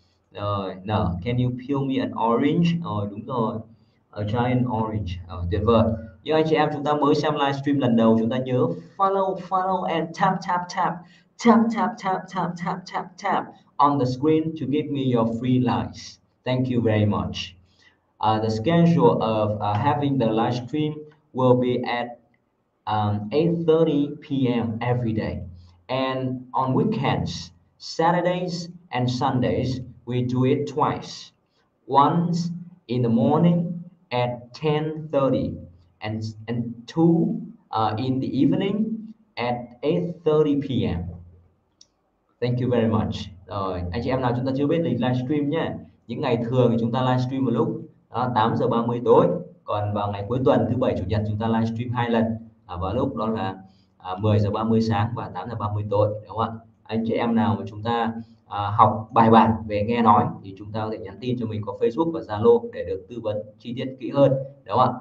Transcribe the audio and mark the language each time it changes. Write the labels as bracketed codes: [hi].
[en] Rồi nở, can you peel me an orange? [vi] Rồi đúng rồi, [en] a giant orange. [vi] Rồi, tuyệt vời. Như anh chị em chúng ta mới xem livestream lần đầu, chúng ta nhớ [en] follow and tap on the screen to give me your free likes. Thank you very much. The schedule of having the livestream will be at 8:30 p.m. every day. And on weekends, Saturdays and Sundays, we do it twice. Once in the morning at 10:30 and two in the evening at 8:30 p.m. Thank you very much. [vi] Rồi, anh chị em nào chúng ta chưa biết lịch livestream nhé. Những ngày thường thì chúng ta livestream vào lúc 8:30 tối, còn vào ngày cuối tuần thứ bảy chủ nhật chúng ta livestream hai lần, vào lúc đó là 10:30 sáng và 8:30 tối, đúng không ạ? Anh chị em nào mà chúng ta học bài bản về nghe nói thì chúng ta có thể nhắn tin cho mình qua Facebook và Zalo để được tư vấn chi tiết kỹ hơn, đúng không ạ?